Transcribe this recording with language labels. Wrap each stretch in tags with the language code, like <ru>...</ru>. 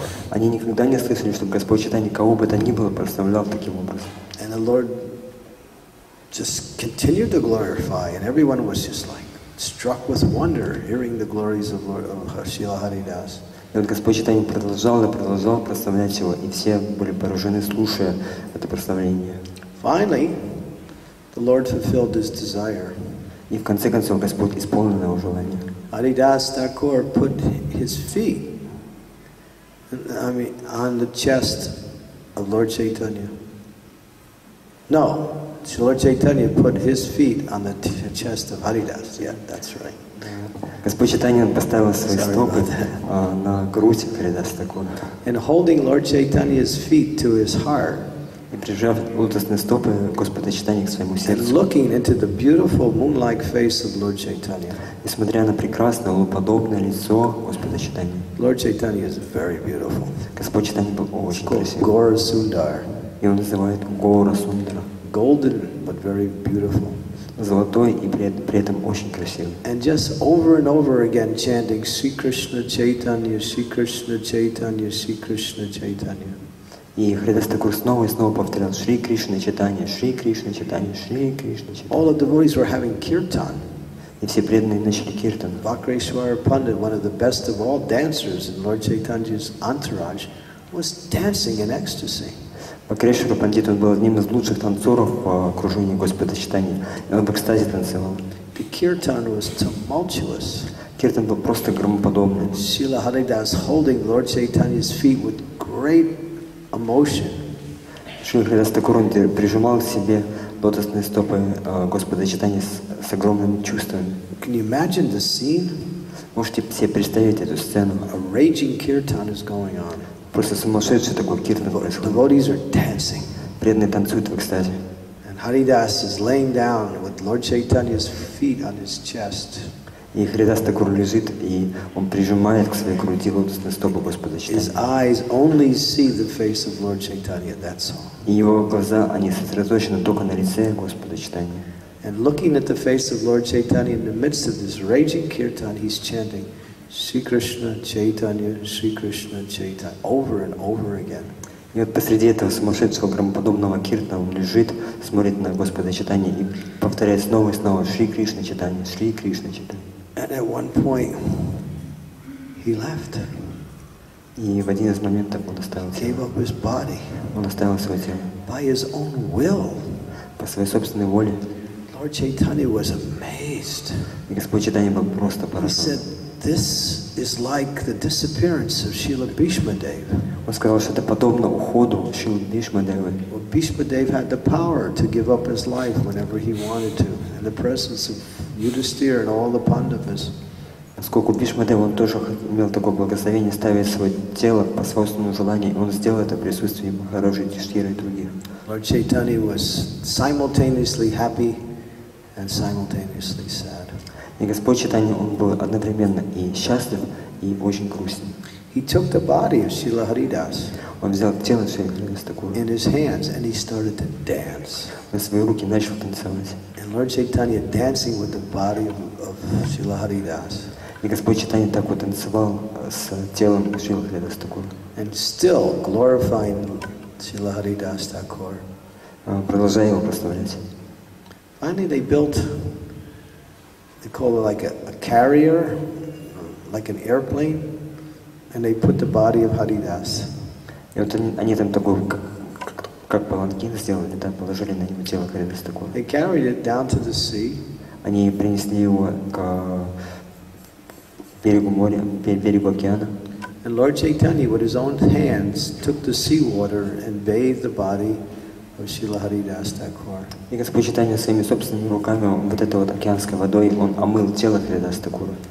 <ru>Они никогда не слышали, чтобы Господь Чайтанья кого бы то ни было прославлял таким образом.</ru> <en>And the Lord just continued to glorify, and everyone was just like struck with wonder hearing the glories of Lord Srila Haridas.</en> <ru>И вот Господь Чайтанья продолжал и продолжал прославлять его, и все были поражены, слушая это прославление.</ru> <en>Finally, the Lord fulfilled his desire.</en> <ru>И в конце концов Господь исполнил его желание.</ru> <en>Haridas Thakur put his feet, on the chest of Lord Chaitanya. No, Lord Chaitanya put his feet on the chest of Haridas. Yeah, that's right.</en> <ru>Господь Чайтанья поставил свои стопы на грудь Харидас Такура.</ru> <en>And holding Lord Chaitanya's feet to his heart.</en> <ru>И прижав лотосные стопы Господа Чайтаньи к своему сердцу.</ru> <en>And looking into the beautiful moon-like face of Lord Chaitanya.</en> <ru>И смотря на прекрасное луноподобное лицо Господа Чайтаньи.</ru> <en>Lord Chaitanya is very beautiful.</en> <ru>Господь Чайтанья был очень красив.</ru> <en>Gaura Sundar.</en> <ru>И он называет Gaura Sundara.</ru> <en>Golden, but very beautiful.</en> <ru>Золотой и при этом очень красивый.</ru> <en>And just over and over again chanting Shri Krishna Chaitanya, Shri Krishna Chaitanya, Shri Krishna Chaitanya.</en> <ru>И Харидас Такур снова и снова повторял Шри Кришна Чайтанья, Шри Кришна Чайтанья, Шри Кришна Чайтанья.</ru> <en>All the devotees were having kirtan.</en> <ru>И все преданные начали киртан.</ru> <en>Vakreshwara Pandit, one of the best of all dancers in Lord Chaitanya's entourage, was dancing in ecstasy.</en> <ru>Vakreshwara Pandit, он был одним из лучших танцоров в окружении Господа Чайтаньи. И он в экстазе танцевал.</ru> <en>The kirtan was tumultuous.</en> <ru>Киртан был просто громоподобный.</ru> <en>Srila Haridas holding Lord Chaitanya's feet with great emotion.</en> <ru>Шрила Харидас Такур прижимал к себе лотосные стопы Господа Чайтаньи с огромным чувством.</ru> <en>Can you imagine the scene?</en> <ru>Можете себе представить эту сцену?</ru> <en>A raging kirtan is going on.</en> <ru>Просто сумасшедший такой киртан происходит.</ru> <en>The devotees are dancing.</en> <ru>Преданные танцуют в экстазе.</ru> <en>And Haridas is laying down with Lord Chaitanya's feet on his chest.</en> <ru>И Харидас Такур лежит, и он прижимает к своей груди лотосные стопы Господа Чайтаньи.</ru> <en>His eyes only see the face of Lord Chaitanya, that's all.</en> <ru>И его глаза, они сосредоточены только на лице Господа Чайтаньи.</ru> <en>And looking at the face of Lord Chaitanya in the midst of this raging kirtan, he's chanting, Shri Krishna Chaitanya, Shri Krishna Chaitanya, over and over again.</en> <ru>И вот посреди этого сумасшедшего громоподобного киртана он лежит, смотрит на Господа Чайтанья и повторяет снова и снова Шри Кришна Чайтанья, Шри Кришна Чайтанья.</ru> <en>And at one point he left.</en> <ru>И в один из моментов он оставил тело.</ru> <en>Gave up his body.</en> <ru>Он оставил свое тело.</ru> <en>By his own will.</en> <ru>По своей собственной воле.</ru> <en>Lord Chaitanya was amazed.</en> <ru>И Господь Чайтанья был просто поражен.</ru> <en>This is like the disappearance of Srila Bhishma Dev.</en> <ru>Он сказал, что это подобно уходу Шрилы Бхишма Девы.</ru> <en>Well, Bhishma Dev had the power to give up his life whenever he wanted to in the presence of Yudhisthira and all the Pandavas.</en> <ru>Поскольку Бхишма Дев, он тоже имел такое благословение ставить свое тело по собственному желанию, и он сделал это в присутствии Махараджи, Юдхиштхиры и других.</ru> <en>Lord Chaitanya was simultaneously happy and simultaneously sad.</en> <ru>И Господь Чайтанья, он был одновременно и счастлив, и очень грустен.</ru> <en>He took the body of Srila Haridas.</en> <ru>Он взял тело Шрилы Харидаса такое.</ru> <en>In his hands, and he started to dance.</en> <ru>На свои руки начал танцевать.</ru> <en>And Lord Chaitanya dancing with the body of Srila Haridas.</en> <ru>И Господь Чайтанья так вот танцевал с телом Шрилы Харидаса такое.</ru> <en>And still glorifying Srila Haridas Thakur.</en> <ru>Продолжая его прославлять.</ru> <en>Finally, they built, they call it like a carrier, like an airplane, and they put the body of Haridas.</en> <ru>И вот они там такой, как паланкин сделали, да, положили на него тело Харидаса такое.</ru> <en>They carried it down to the sea.</en> <ru>Они принесли его к берегу моря, берегу океана.</ru> <en>And Lord Chaitanya, with his own hands, took the seawater and bathed the body of Srila Haridas Thakur.</en> <ru>И Господь Чайтанья своими собственными руками вот этой вот океанской водой он омыл тело Харидаса Такура.</ru>